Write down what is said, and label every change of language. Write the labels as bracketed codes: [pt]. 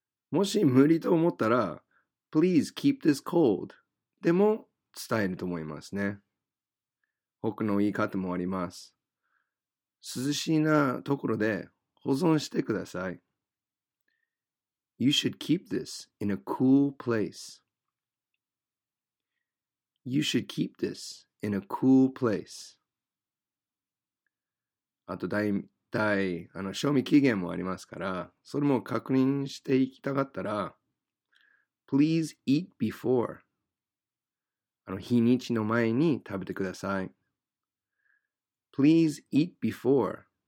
[ja] もし無理と思ったら、 [en] Please keep this cold. [ja] でも伝えると思いますね。他の言い方もあります。涼しいなところで保存してください。 [en] You should keep this in a cool place. You should keep this in a cool place. [ja] あと大体あの賞味期限もありますから、それも確認していきたかったら、 [en] Please eat before. [ja] あの日にちの前に食べてください。 [en] Please eat before.